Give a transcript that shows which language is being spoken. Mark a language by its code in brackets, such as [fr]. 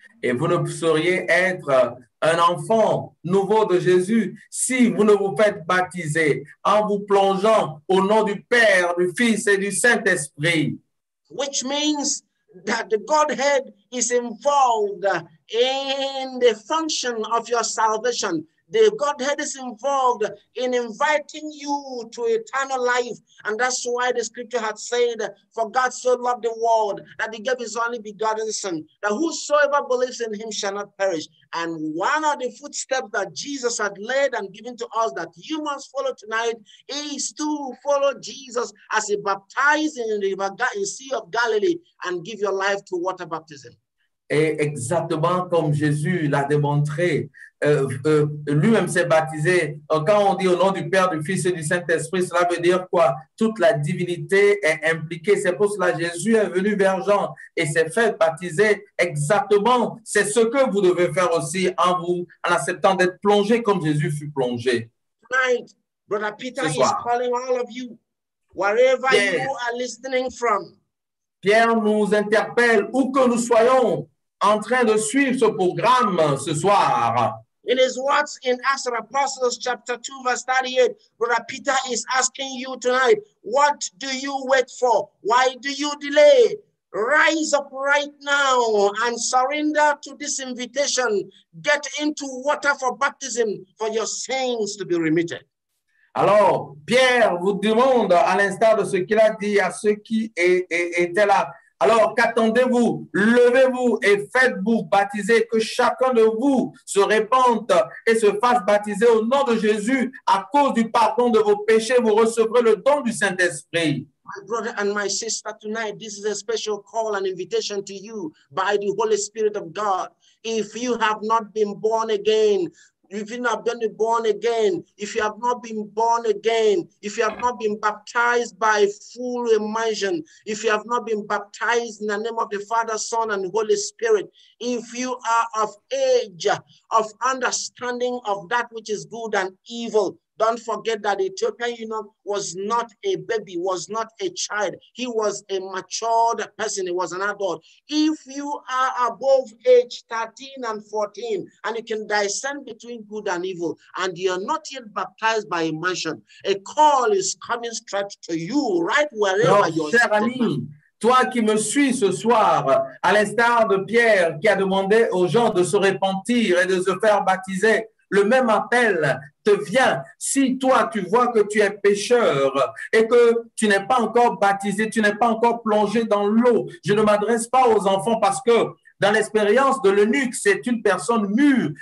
[fr] Et vous ne sauriez être un enfant nouveau de Jésus si vous ne vous faites baptiser en vous plongeant au nom du Père, du Fils et du Saint-Esprit. [en] Which means that the Godhead is involved in the function of your salvation. The Godhead is involved in inviting you to eternal life. And that's why the scripture had said, for God so loved the world that he gave his only begotten son, that whosoever believes in him shall not perish. And one of the footsteps that Jesus had laid and given to us that you must follow tonight is to follow Jesus as he baptized in the river, in the Sea of Galilee, and give your life to water baptism. [fr] Et exactement comme Jésus l'a démontré, lui-même s'est baptisé. Quand on dit au nom du Père, du Fils et du Saint-Esprit, cela veut dire quoi? Toute la divinité est impliquée. C'est pour cela que Jésus est venu vers Jean et s'est fait baptiser. Exactement, c'est ce que vous devez faire aussi en vous, en acceptant d'être plongé comme Jésus fut plongé. [en] Tonight, Brother Peter is calling all of you, wherever you are listening from. [fr] Pierre nous interpelle où que nous soyons en train de suivre ce programme ce soir. [en] It is what in Acts of Apostles chapter 2 verse 38, Brother Peter is asking you tonight, what do you wait for? Why do you delay? Rise up right now and surrender to this invitation. Get into water for baptism for your sins to be remitted. [fr] Alors, Pierre vous demande, à l'instar de ce qu'il a dit à ceux qui étaient là, alors qu'attendez-vous? Levez-vous et faites-vous baptiser, que chacun de vous se répande et se fasse baptiser au nom de Jésus à cause du pardon de vos péchés. Vous recevrez le don du Saint-Esprit. [en] My brother and my sister, tonight, this is a special call and invitation to you by the Holy Spirit of God. If you have not been born again, if you have not been born again, if you have not been born again, if you have not been baptized by full immersion, if you have not been baptized in the name of the Father, Son, and Holy Spirit, if you are of age, of understanding of that which is good and evil, don't forget that Ethiopian eunuch was not a baby, was not a child. He was a matured person. He was an adult. If you are above age 13 and 14, and you can discern between good and evil, and you are not yet baptized by immersion, a call is coming straight to you, right wherever you are. [fr] Toi qui me suis ce soir, à l'instar de Pierre qui a demandé aux gens de se repentir et de se faire baptiser, le même appel te vient. Si toi, tu vois que tu es pécheur et que tu n'es pas encore baptisé, tu n'es pas encore plongé dans l'eau, je ne m'adresse pas aux enfants parce que dans l'expérience de l'eunuque, c'est une personne mûre.